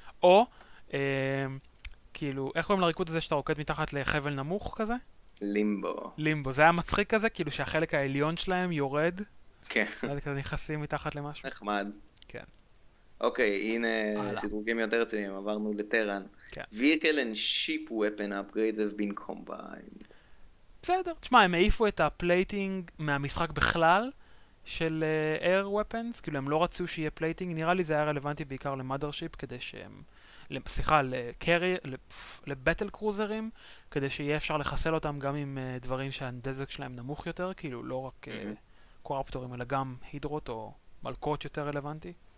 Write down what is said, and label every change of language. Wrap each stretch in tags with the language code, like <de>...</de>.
<he>או, כאילו, איך קוראים לריקוד הזה שאתה רוקד מתחת לחבל נמוך כזה? לימבו. לימבו, זה היה מצחיק כזה, כאילו שהחלק העליון שלהם יורד. כן. כזה נכנסים מתחת למשהו. נחמד. כן. אוקיי, הנה שדרוגים יותר טובים, עברנו לטרן.</he> <en>Vehicle and ship weapon upgrades have been combined.</en> <he>בסדר, תשמע, הם העיפו את הפלייטינג מהמשחק בכלל של</he> <en>air weapons,</en> <he>כאילו הם לא רצו שיהיה פלייטינג, נראה לי זה היה רלוונטי בעיקר למאדרשיפ, כדי שהם, סליחה, לבטל קרוזרים, כדי שיהיה אפשר לחסל אותם גם עם דברים שהנדזק שלהם נמוך יותר, כאילו לא רק קורפטורים, אלא גם הידרות או מלכות יותר רלוונטי.</he>